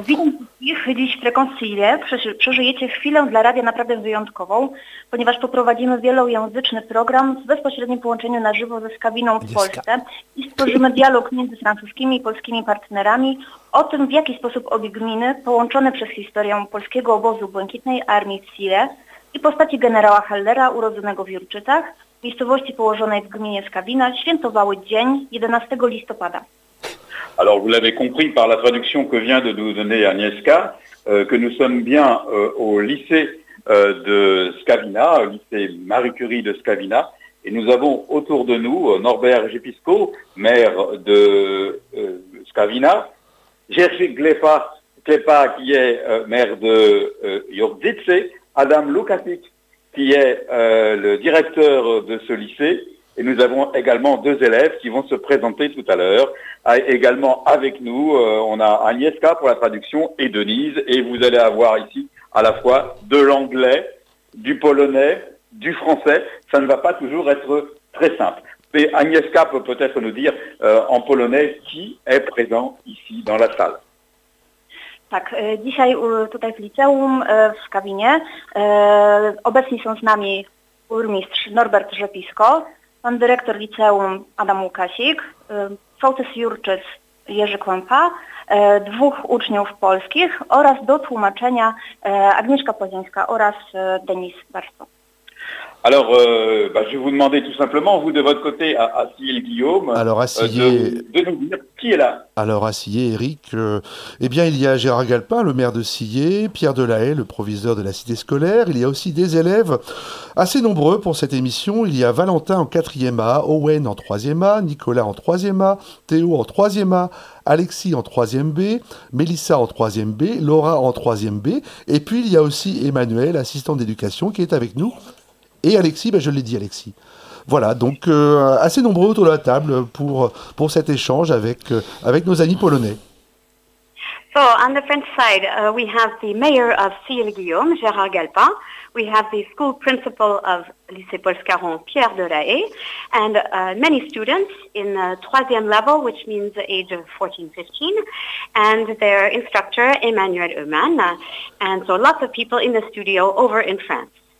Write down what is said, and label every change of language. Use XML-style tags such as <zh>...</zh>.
<pl>Witam wszystkich dziś w Fréquencier. Przeżyjecie chwilę dla radia naprawdę wyjątkową, ponieważ poprowadzimy wielojęzyczny program z bezpośrednim połączeniem na żywo ze Skawiną w Polsce i stworzymy dialog między francuskimi i polskimi partnerami o tym, w jaki sposób obie gminy połączone przez historię polskiego obozu Błękitnej Armii w Sile i postaci generała Hellera urodzonego w Jurczycach, miejscowości położonej w gminie Skawina, świętowały dzień 11 listopada.</pl> <fr>Alors vous l'avez compris par la traduction que vient de nous donner Agnieszka, que nous sommes bien au lycée de Skawina, au lycée Marie Curie de Skawina, et nous avons autour de nous Norbert Gipisko, maire de Skawina, Jerzy Klepa, qui est maire de Jurgice, Adam Lukasik, qui est le directeur de ce lycée, et nous avons également deux élèves qui vont se présenter tout à l'heure. Également avec nous, on a Agnieszka pour la traduction et Denise, et vous allez avoir ici à la fois de l'anglais, du polonais, du français. Ça ne va pas toujours être très simple. Mais Agnieszka peut peut-être nous dire en polonais qui est présent ici dans la salle.</fr> <pl>Tak, dzisiaj tutaj w liceum w Skawinie obecni są z nami burmistrz Norbert Rzepisko, pan dyrektor liceum Adam Łukasik, sołtys Jurczyc Jerzy Kłępa, dwóch uczniów polskich oraz do tłumaczenia Agnieszka Płazińska oraz Denis Barsto.</pl> <fr>Alors, je vais vous demander tout simplement, vous de votre côté, à Cyril Guillaume, de nous dire qui est là. Alors, à Cyril, Eric, il y a Gérard Galpin, le maire de Cyril, Pierre Delahaye, le proviseur de la cité scolaire. Il y a aussi des élèves assez nombreux pour cette émission. Il y a Valentin en 4e A, Owen en 3e A, Nicolas en 3e A, Théo en 3e A, Alexis en 3e B, Mélissa en 3e B, Laura en 3e B. Et puis, il y a aussi Emmanuel, assistant d'éducation, qui est avec nous. Et Alexis, je l'ai dit, Alexis. Voilà, donc assez nombreux autour de la table pour cet échange avec nos amis polonais.</fr> <en>So, on the French side, we have the mayor of Ciel-Guillaume, Gérard Galpin. We have the school principal of Lycée Paul Scarron, Pierre Delahaye. And many students in the troisième level, which means the age of 14-15. And their instructor, Emmanuel Eumann. And so lots of people in the studio over in France.</en>